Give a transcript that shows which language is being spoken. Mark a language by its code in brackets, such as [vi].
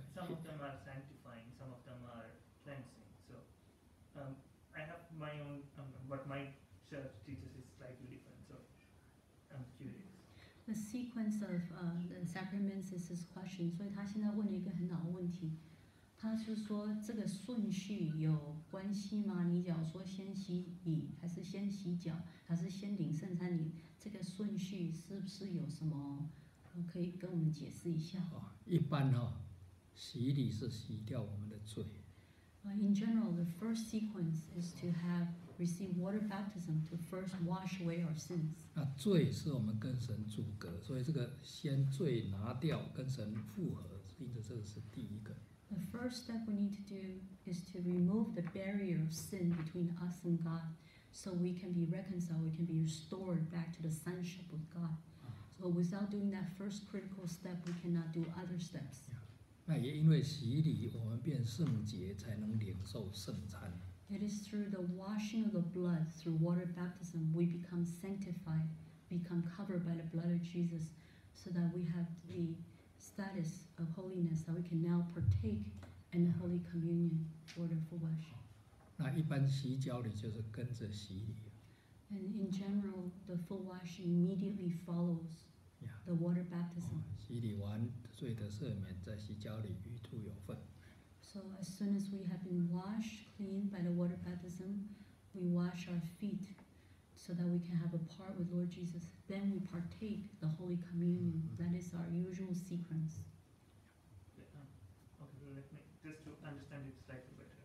[en] some of them are sanctifying. Some of them are cleansing. So, I have my own, but my church teaches is slightly different, so I'm curious. The sequence of the sacraments is his question. So he's asking a very good question. He's [zh] 他是说这个顺序有关系吗？你假如说先洗礼，还是先洗脚，还是先领圣餐礼，这个顺序是不是有什么可以跟我们解释一下？一般哦，洗礼是洗掉我们的罪。 [en] In general, the first sequence is to have received water baptism to first wash away our sins. [zh] 那罪是我们跟神阻隔，所以这个先罪拿掉，跟神复合，因此这个是第一个。 [en] The first step we need to do is to remove the barrier of sin between us and God, so we can be reconciled, we can be restored back to the sonship with God. So without doing that first critical step, we cannot do other steps. [zh] 那也因为洗礼，我们变圣洁，才能领受圣餐。 [en] It is through the washing of the blood, through water baptism, we become sanctified, become covered by the blood of Jesus, so that we have the status of holiness that we can now partake in the Holy Communion order for washing. [zh] 那一般洗脚礼就是跟着洗礼。 [en] And in general, the full washing immediately follows. Yeah. The water baptism. [zh] 洗礼完罪得赦免，在洗脚里与主有份。 [en] So as soon as we have been washed clean by the water baptism, we wash our feet so that we can have a part with Lord Jesus. Then we partake the Holy Communion. Mm-hmm. That is our usual sequence. Yeah, okay, let me just to understand it slightly better.